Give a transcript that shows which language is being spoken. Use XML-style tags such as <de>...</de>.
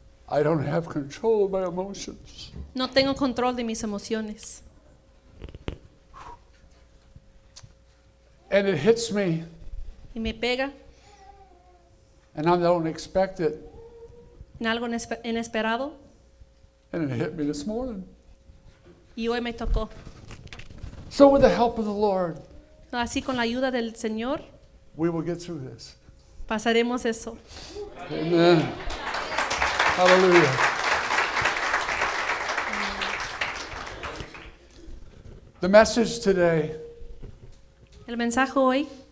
<en>I don't have control of my emotions.</en> <es>No tengo control de mis emociones.</es> <en>And it hits me.</en> <es>Y me pega.</es> <en>And I don't expect it.</en> <es>En algo inesperado.</es> <en>And it hit me this morning.</en> <es>Y hoy me tocó.</es> <en>So with the help of the Lord,</en> <es>así con la ayuda del Señor,</es> <en>we will get through this.</en> <es>Pasaremos eso.</es> <en>Amen. Hallelujah. The message today.</en> <es>El mensaje hoy.</es>